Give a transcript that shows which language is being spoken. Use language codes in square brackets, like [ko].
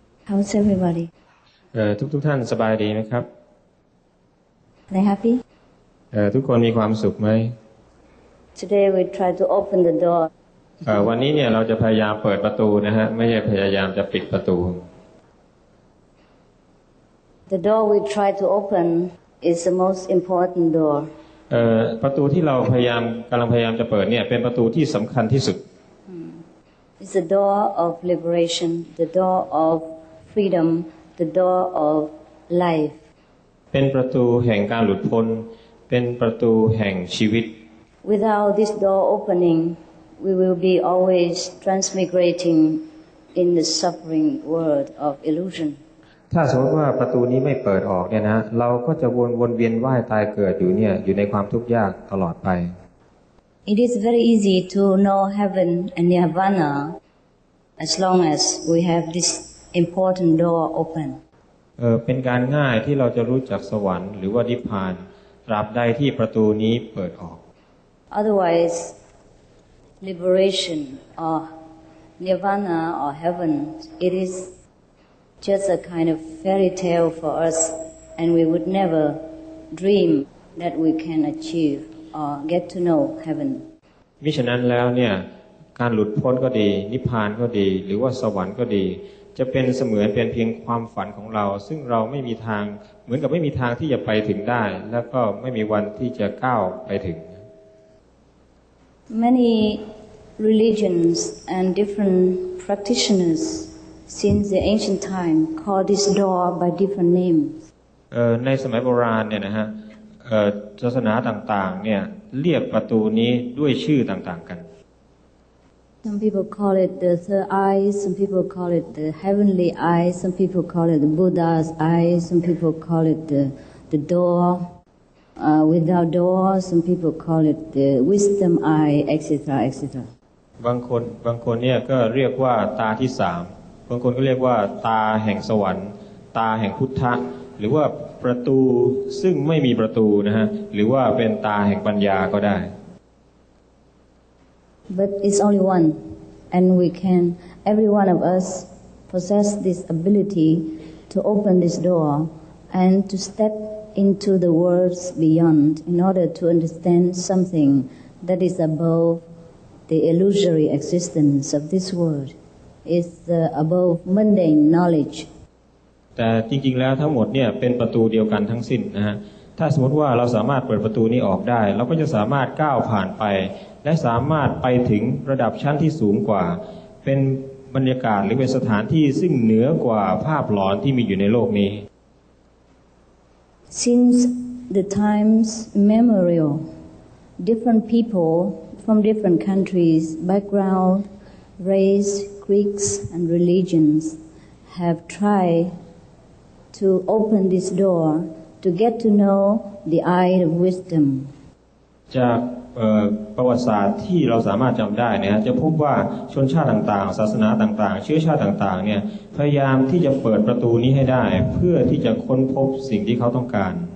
[en] How's everybody? [th] ทุกท่านสบายดีไหมครับ [en] Are you happy? [th] ทุกคนมีความสุขไหม [en] Today we try to open the door. [th] วันนี้เนี่ยเราจะพยายามเปิดประตูนะฮะไม่ใช่พยายามจะปิดประตู [en] The door we try to open is the most important door. [th] ประตูที่เรากำลังพยายามจะเปิดเนี่ยเป็นประตูที่สำคัญที่สุด [en] It's the door of liberation. The door ofFreedom, the door of life. [th] เป็นประตูแห่งการหลุดพ้นเป็นประตูแห่งชีวิต [en] Without this door opening, we will be always transmigrating in the suffering world of illusion. [th] ถ้าสมมติว่าประตูนี้ไม่เปิดออกเนี่ยนะเราก็จะวนเวียนว่ายตายเกิดอยู่เนี่ยอยู่ในความทุกข์ยากตลอดไป [en] It is very easy to know heaven and nirvana as long as we have thisimportant door open [th] เป็นการง่ายที่เราจะรู้จักสวรรค์หรือว่านิพพานตราบใดที่ประตูนี้เปิดออก [en] otherwise liberation or nirvana or heaven it is just a kind of fairy tale for us and we would never dream that we can achieve or get to know heaven [th] มิฉะนั้นแล้วเนี่ยการหลุดพ้นก็ดีนิพพานก็ดีหรือว่าสวรรค์ก็ดีจะเป็นเสมือนเป็นเพียงความฝันของเราซึ่งเราไม่มีทางเหมือนกับไม่มีทางที่จะไปถึงได้แล้วก็ไม่มีวันที่จะก้าวไปถึง [en] Many religions and different practitioners since the ancient time call this door by different names. [th] ในสมัยโบราณเนี่ยนะฮะศาสนาต่างๆเนี่ยเรียกประตูนี้ด้วยชื่อต่างๆกัน [en] Some people call it the third eye, some people call it the heavenly eye, some people call it the Buddha's eye, some people call it the door without door, some people call it the wisdom eye, etc. [th] บางคนเนี่ยก็เรียกว่าตาที่3บางคนก็เรียกว่าตาแห่งสวรรค์ตาแห่งพุทธะหรือว่าประตูซึ่งไม่มีประตูนะฮะหรือว่าเป็นตาแห่งปัญญาก็ได้ [en] But it's only one and we can every one of us possess this ability to open this door and to step into the worlds beyond in order to understand something that is above the illusory existence of this world is above mundane knowledge [th] แต่จริงๆแล้วทั้งหมดเนี่ยเป็นประตูเดียวกันทั้งสิ้นนะฮะถ้าสมมติว่าเราสามารถเปิดประตูนี้ออกได้เราก็จะสามารถก้าวผ่านไปและสามารถไปถึงระดับชั้นที่สูงกว่าเป็นบรรยากาศหรือเป็นสถานที่ซึ่งเหนือกว่าภาพหลอนที่มีอยู่ในโลกนี้ [en] Since the times immemorial different people from different countries background race Greeks and religions have triedto open this door to get to know the eye of wisdom [th] จากประวัติศาสตร์ที่เราสามารถจําได้นะฮะจะพบว่าชนชาติต่างๆศาสนาต่างๆเชื้อชาติต่างๆเนี่ยพยายามที่จะเปิดประตูนี้ให้ได้เพื่อที่จะค้นพบสิ่งที่เขาต้องการ